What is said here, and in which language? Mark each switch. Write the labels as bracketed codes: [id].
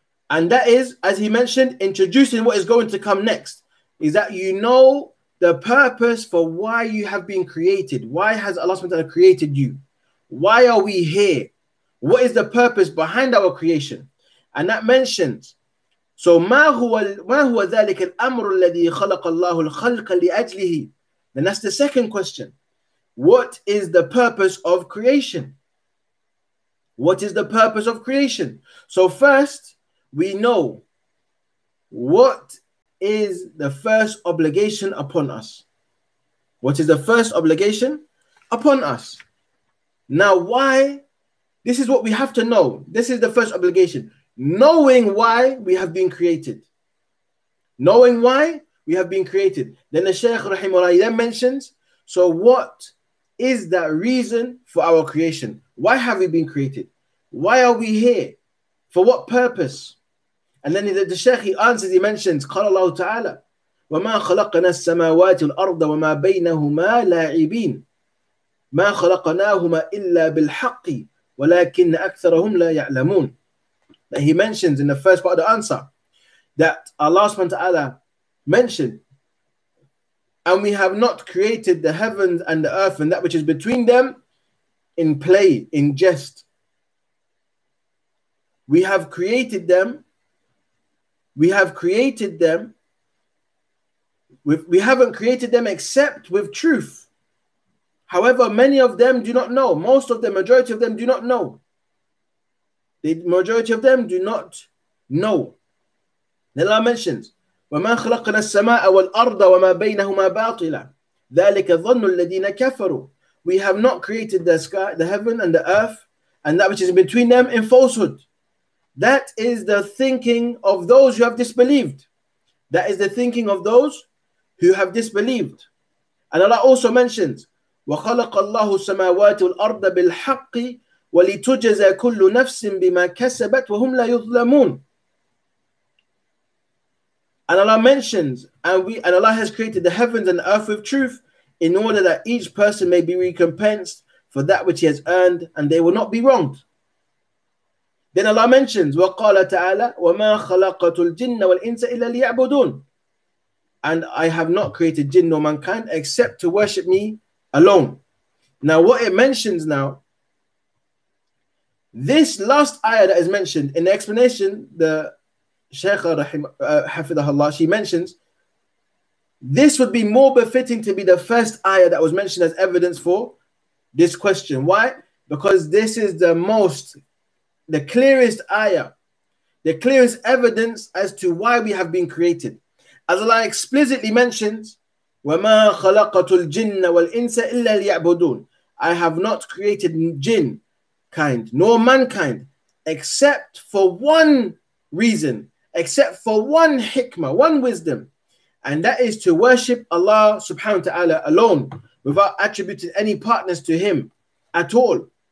[en] And that is, as he mentioned, introducing what is going to come next, is that you know the purpose for why you have been created. Why has Allah subhanahu wa ta'ala created you? Why are we here? What is the purpose behind our creation? And that mentions, so [ar] ma huwa ذلك الأمر الذي خلق الله الخلق لأجله. [en] Then that's the second question. What is the purpose of creation? What is the purpose of creation? So first, we know what is the first obligation upon us. What is the first obligation? upon us. Now, why? This is what we have to know. This is the first obligation. Knowing why we have been created. Knowing why we have been created. Then the Shaykh Rahimahullah then mentions, so what is that reason for our creation? Why have we been created? Why are we here? For what purpose? And then the Shaykh, he answers, he mentions, [ar] قال الله تعالى وَمَا خَلَقْنَا السَّمَاوَاتِ وَالْأَرْضَ وَمَا بَيْنَهُمَا لَاعِبِينَ مَا خَلَقْنَاهُمَا إِلَّا بِالْحَقِّ ولكن أكثرهم لا يعلمون. [en] That he mentions in the first part of the answer that Allah subhanahu wa ta'ala mentioned, and we have not created the heavens and the earth and that which is between them in play, in jest. We have created them. We have created them. We haven't created them except with truth. However, many of them do not know. Most of them, majority of them do not know. The majority of them do not know. Then Allah mentions, [ar] وَمَا خَلَقْنَا السَّمَاءَ وَالْأَرْضَ وَمَا بَيْنَهُمَا بَاطِلًا ذَلِكَ ظَنُّ الَّذِينَ كَفَرُوا. [en] We have not created the sky, the heaven and the earth and that which is between them in falsehood. That is the thinking of those who have disbelieved. That is the thinking of those who have disbelieved. And Allah also mentions, [ar] وَخَلَقَ اللَّهُ السَّمَاوَاتِ وَالْأَرْضَ بِالْحَقِّ وَلِتُجَزَى كُلُّ نَفْسٍ بِمَا كَسَبَتْ وَهُمْ لَا يُظْلَمُونَ. [en] And Allah mentions, and Allah has created the heavens and the earth with truth in order that each person may be recompensed for that which he has earned and they will not be wronged. Then Allah mentions, [ar] وَقَالَ تَعَالَى وَمَا خَلَقَتُ الْجِنَّ وَالْإِنسَ إِلَّا لِيَعْبُدُونَ. [en] And I have not created jinn or mankind except to worship me alone. Now what it mentions now, this last ayah that is mentioned in the explanation, the Shaykh Rahim Hafidh Allah, she mentions this would be more befitting to be the first ayah that was mentioned as evidence for this question. Why? Because this is the most, the clearest ayah, the clearest evidence as to why we have been created. As Allah explicitly mentions, [ar] وَمَا خَلَقَتُ الْجِنَّ وَالْإِنسَ إِلَّا لِيَعْبُدُونَ. [en] I have not created jinn kind nor mankind except for one reason, except for one hikmah, one wisdom, and that is to worship Allah subhanahu wa ta'ala alone without attributing any partners to him at all.